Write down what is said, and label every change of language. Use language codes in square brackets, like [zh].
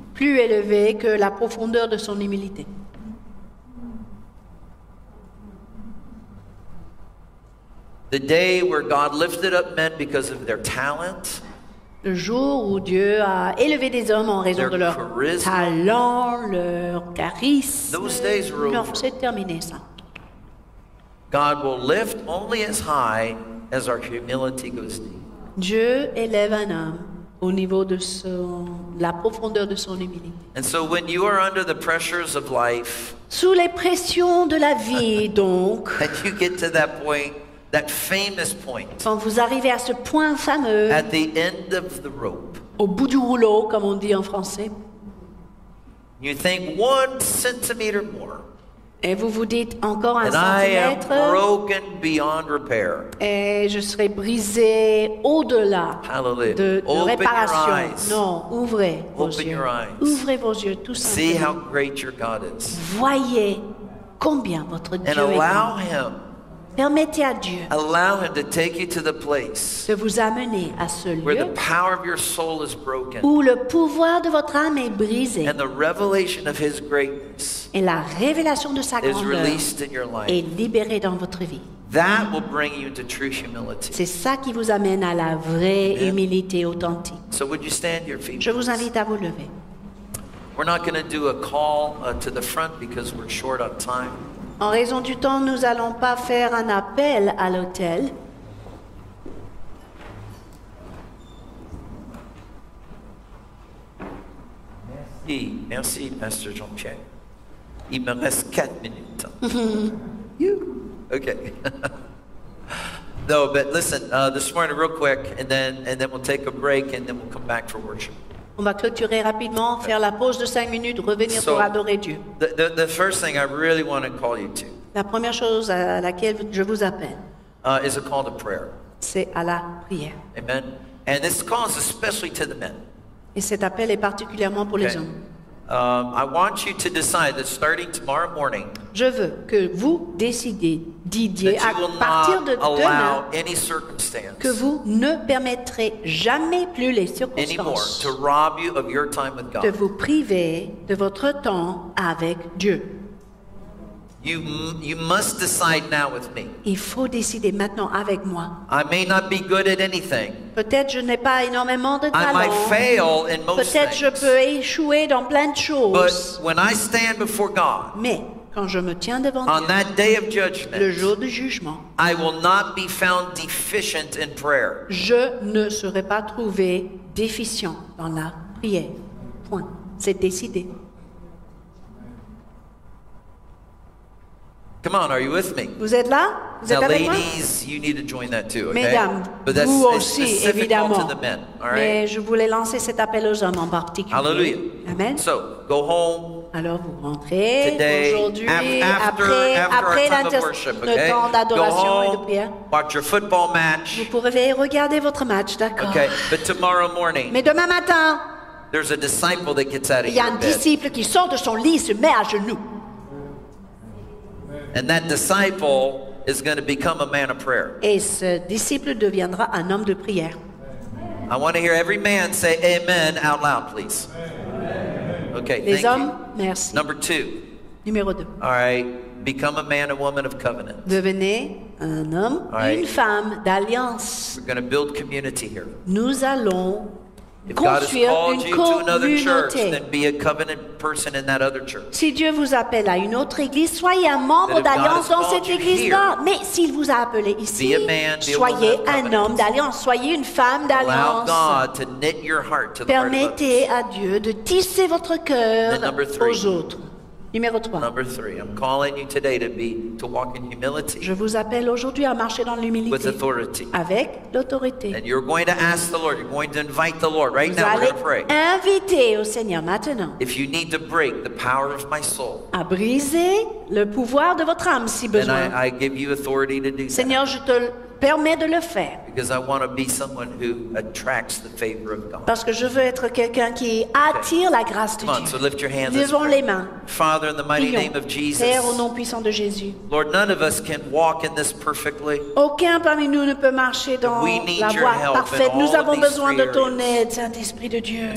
[fr] Plus élevé que la profondeur de son humilité. [en] The day where God lifted up men because of their talent, [fr] le jour où Dieu a élevé des hommes en raison de leur [en] charisma, [fr] talent, leur charisme, [en] those days were over. [fr] Non, c'est terminé ça. [en] God will lift only as high as our humility goes deep. [fr] Dieu élève un homme au niveau de son, la profondeur de son humilité. [en] And so when you are under the pressures of life, [fr] sous les pressions de la vie, donc, [en] and you get to that point, that famous point, [fr] quand vous arrivez à ce point fameux, [en] at the end of the rope, [fr] au bout du rouleau, comme on dit en français, [en] you think one centimeter more, [fr] et vous vous dites encore un centimètre. [en] I am broken beyond repair. [fr] Et je serai brisé au-delà de réparation. Non, ouvrez vos [en] Open Your eyes. [fr] Ouvrez vos yeux tout simplement. [en] See how great your God is. [fr] Voyez combien votre Dieu [en] And [fr] est [en] allow [fr] grand. [en] Him, [fr] Permettez à Dieu [en] allow him to take you to the place [fr] de vous amener à ce lieu [en] where the power of your soul is broken. [fr] Où le pouvoir de votre âme est brisé. [en] And the revelation of his greatness [fr] Et la révélation de sa [en] is released in your life. [fr] Est libérée dans votre vie. [en] That will bring you to true humility. [fr] C'est ça qui vous amène à la vraie Amen. Humilité authentique. [en] So would you stand your feet? [fr] Je vous invite à vous lever. [en] We're not going to do a call to the front because we're short on time. [fr] En raison du temps, nous allons pas faire un appel à l'autel. Merci, merci, Pasteur Jean-Pierre. Il me reste 4 minutes. [en] You. Okay. No, but listen, this morning real quick, and then we'll take a break, and then we'll come back for worship. [fr] On va clôturer rapidement, faire la pause de 5 minutes, revenir [en] so, [fr] pour adorer Dieu. [en] The first thing I really want to call you to, [fr] la première chose à laquelle je vous appelle, [en] is a call to prayer. [fr] C'est à la prière. [en] Amen. And this call is especially to the men. [fr] Et cet appel est particulièrement pour [en] okay. [fr] les hommes. [en] I want you to decide that starting tomorrow morning, [fr] je veux que vous décidez, Didier, [en] that you [fr] à partir de [en] allow [fr] demain, [en] any circumstance, [fr] que vous ne permettrez jamais plus les circonstances [en] anymore, to rob you of your time with God. [fr] De vous priver de votre temps avec Dieu. [en] You must decide now with me. [fr] Il faut décider maintenant avec moi. [en] I may not be good at anything. [fr] Peut-être je n'ai pas énormément de talent. [en] I might fail in most [fr] Peut-être [en] things. [fr] Je peux échouer dans plein de choses. [en] But when I stand before God, [fr] mais quand je me tiens devant [en] on [fr] Dieu, [en] that day of judgment, [fr] le jour du jugement, [en] I will not be found deficient in prayer. [fr] Je ne serai pas trouvé déficient dans la prière. Point. C'est décidé. [en] Come on, are you with me? [fr] Vous êtes là? Vous êtes [en] now, [fr] avec [en] ladies, [fr] moi? [en] You need to join that too, okay? [fr] Mesdames, [en] but that's [fr] vous aussi, évidemment. [en] To the men, all right? [fr] Mais je voulais lancer cet appel aux hommes en particulier. [en] Hallelujah. Amen. So, go home. [fr] Alors, vous rentrez [en] today, [fr] aujourd'hui, [en] after our time of worship, okay? [fr] Le temps d'adoration [en] go home, [fr] et de prière. [en] Watch your football match. [fr] Vous pourrez regarder votre match, d'accord. [en] Okay, but tomorrow morning. [fr] Mais demain matin, [en] there's a disciple that gets out of [fr] il y a un disciple [en] bed. [fr] Qui sort de son lit et se met à genoux. [en] And that disciple is going to become a man of prayer. [fr] Et ce disciple deviendra un homme de prière. [en] I want to hear every man say amen out loud, please. Okay, [fr] Les [en] thank [fr] hommes, [en] you. [fr] Merci. [en] Number two. [fr] Numéro deux. [en] All right, become a man and woman of covenant. [fr] Devenez un homme [en] All right. [fr] une femme d'alliance. [en] We're going to build community here. [fr] Nous allons [en] If God has called you to another church, then be a covenant person in that other church. [fr] Si Dieu vous appelle à une autre église, soyez un membre d'alliance dans cette église-là. Mais s'il vous a appelé ici, [en] be a man, be [fr] soyez [en] a woman [fr] un homme d'alliance, soyez une femme d'alliance. [en] Allow God to knit your heart to the [fr] Permettez [en] heart of [fr] à Dieu de tisser votre cœur aux autres. Numéro 3. [en] Number 3. I'm calling you today to walk in humility. [fr] Je vous appelle aujourd'hui à marcher dans l'humilité. [en] With authority. [fr] Avec l'autorité. [en] And you're going to ask the Lord. You're going to invite the Lord right [fr] vous [en] now. [fr] Allez [en] we're going to pray. [fr] Inviter au Seigneur maintenant. [en] If you need to break the power of my soul. [fr] À briser le pouvoir de votre âme si besoin. [en] Then I give you authority to do [fr] Seigneur, [en] that. [fr] Seigneur, je te permet de le faire. [en] Because I want to be someone who attracts the favor of God. [fr] Parce que je veux être quelqu'un qui attire la grâce de Dieu. [en] Come on, so lift your hands. [fr] Levons les mains. [en] Father, in the mighty name of Jesus. [fr] Père, au nom puissant de Jésus. [en] Lord, none of us can walk in this perfectly. [fr] Aucun parmi nous ne peut marcher dans la voie parfaite. Nous avons besoin de ton aide, Saint-Esprit de Dieu.